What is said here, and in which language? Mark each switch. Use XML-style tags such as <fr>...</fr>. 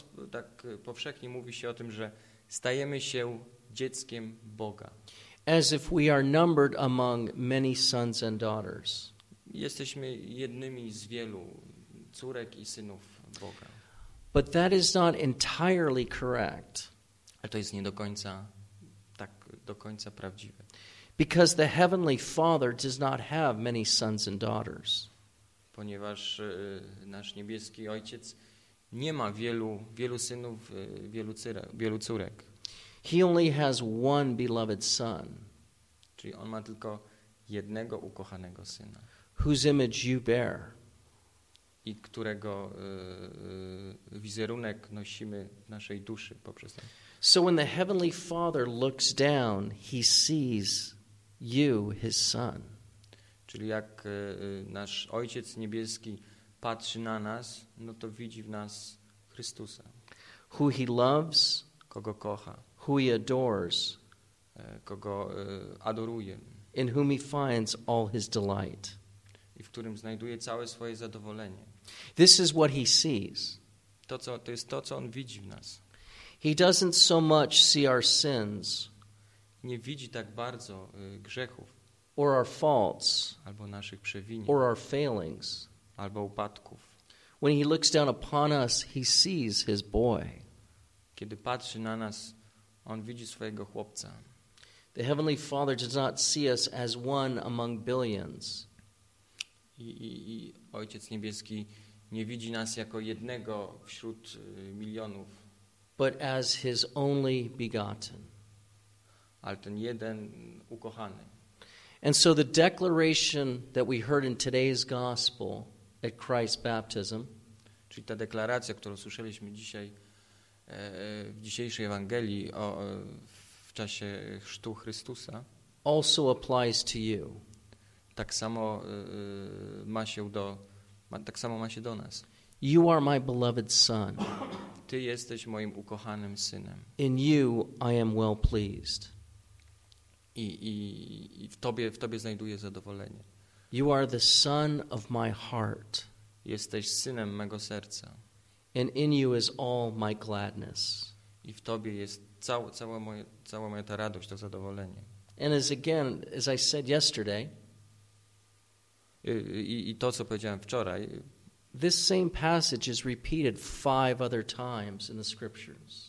<pl>Tak powszechnie mówi się o tym, że stajemy się dzieckiem Boga.</pl> <en>As if we are numbered among many sons and daughters.</en> <pl>Jesteśmy jednymi z wielu córek i synów Boga.</pl> <en>But that is not entirely correct.</en> <pl>Ale to jest nie do końca tak do końca prawdziwe.</pl> <en>Because the heavenly Father does not have many sons and daughters.</en> <pl>Ponieważ nasz niebieski Ojciec nie ma wielu synów, wielu córek.</pl> <en>He only has one beloved son.</en> <pl>Czyli on ma tylko jednego ukochanego syna.</pl> <en>Whose image you bear.</en> <pl>I którego wizerunek nosimy w naszej duszy poprzez ten.</pl> <en>So when the heavenly Father looks down, he sees you, his son.</en> <pl>Czyli jak nasz Ojciec Niebieski patrzy na nas, no to widzi w nas Chrystusa.</pl> <en>Who he loves,</en> <pl>kogo kocha.</pl> <en>Who he adores,</en> <pl>kogo adoruje.</pl> <en>In whom he finds all his delight.</en> <pl>I w którym znajduje całe swoje zadowolenie.</pl> <en>This is what he sees.</en> <pl>To jest to, co on widzi w nas.</pl> <en>He doesn't so much see our sins.</en> <pl>Nie widzi tak bardzo grzechów.</pl> <en>Or our faults.</en> <pl>Albo naszych przewinień.</pl> <en>Or our failings.</en> <pl>Albo upadków.</pl> <en>When he looks down upon us, he sees his boy.</en> <pl>Kiedy patrzy na nas, on widzi swojego chłopca.</pl> <en>The heavenly Father does not see us as one among billions.</en> <pl>I Ojciec Niebieski nie widzi nas jako jednego wśród milionów.</pl> <en>But as his only begotten.</en> <pl>Ale ten jeden ukochany.</pl> <en>And so the declaration that we heard in today's gospel at Christ's baptism.</en> <pl>Czyli ta deklaracja, którą słyszeliśmy dzisiaj w dzisiejszej Ewangelii w czasie chrztu Chrystusa.</pl> <en>Also applies to you.</en> <pl>Tak samo ma się do tak samo ma się do nas.</pl> <en>You are my beloved son.</en> <pl>Ty jesteś moim ukochanym synem.</pl> <en>In you I am well pleased.</en> <pl>I w tobie znajduję zadowolenie.</pl> <en>You are the son of my heart.</en> <pl>Jesteś synem mego serca.</pl> <en>And in you is all my gladness.</en> <pl>I w tobie jest cała moja ta radość, to zadowolenie.</pl> <en>And as again as I said yesterday.</en> <pl>I to, co powiedziałem wczoraj.</pl> <en>This same passage is repeated five other times in the scriptures.</en>